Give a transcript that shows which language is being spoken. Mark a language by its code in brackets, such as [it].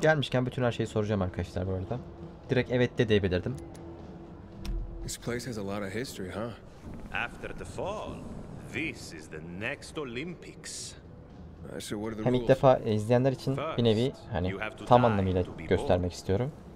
[tr] Gelmişken bütün her şeyi soracağım arkadaşlar bu arada. Direkt evet de diyebilirdim. [en] This place has a lot of history, huh? After the fall, this is the next Olympics. So what are the rules? [tr] İlk defa izleyenler için bir nevi hani tam anlamıyla göstermek istiyorum.